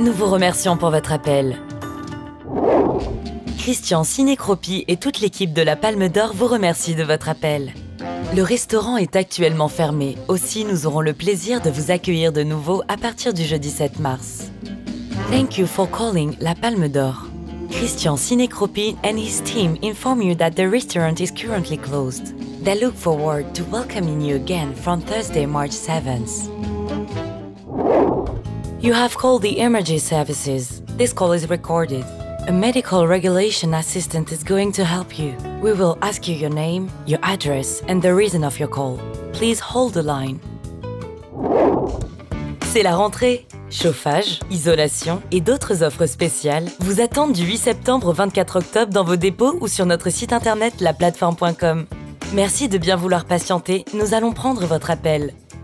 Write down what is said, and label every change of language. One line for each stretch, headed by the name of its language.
French: Nous vous remercions pour votre appel. Christian Sinécropi et toute l'équipe de la Palme d'Or vous remercient de votre appel. Le restaurant est actuellement fermé, aussi nous aurons le plaisir de vous accueillir de nouveau à partir du jeudi 7 mars.
English: Thank you for calling La Palme d'Or. Christian Sinécropi and his team inform you that the restaurant is currently closed. They look forward to welcoming you again from Thursday, March 7th. You have called the emergency services. This call is recorded. A medical regulation assistant is going to help you. We will ask you your name, your address, and the reason of your call. Please hold the line.
French: C'est la rentrée. Chauffage, isolation et d'autres offres spéciales vous attendent du 8 septembre au 24 octobre dans vos dépôts ou sur notre site internet laplateforme.com. Merci de bien vouloir patienter, nous allons prendre votre appel.